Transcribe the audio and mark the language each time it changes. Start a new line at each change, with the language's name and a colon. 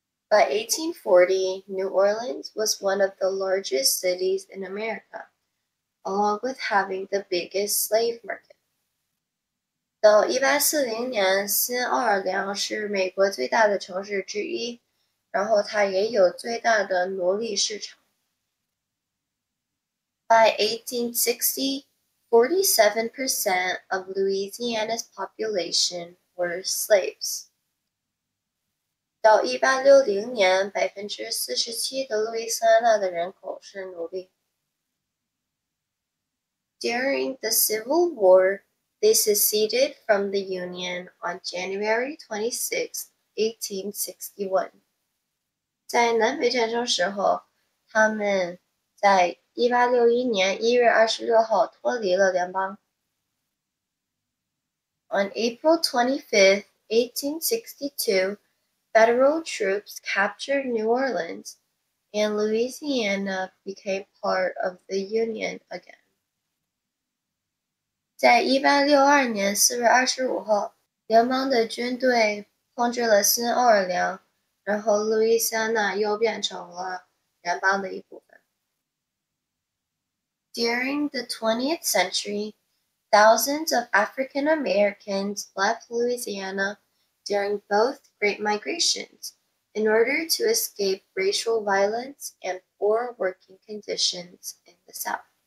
English: By 1840, New Orleans was one of the largest cities in America, along with having the biggest slave market.
Chinese: 到1840年, 新奥尔良是美国最大的城市之一, 然后它也有最大的奴隶市场。
English: By 1860, 47% of Louisiana's population were slaves.
Chinese: 到1860年, 47%的路易斯安那的人口是奴隶。
English: During the Civil War, they seceded from the Union on January 26, 1861. On April 25, 1862, federal troops captured New Orleans, and Louisiana became part of the Union again.
Chinese: 在1862年 4月25号, 联邦的军队控制了新奥尔良, 然后路易斯安那又变成了联邦的一部分。
English: During the 20th century, thousands of African Americans left Louisiana during both Great Migrations in order to escape racial violence and poor working conditions in the South.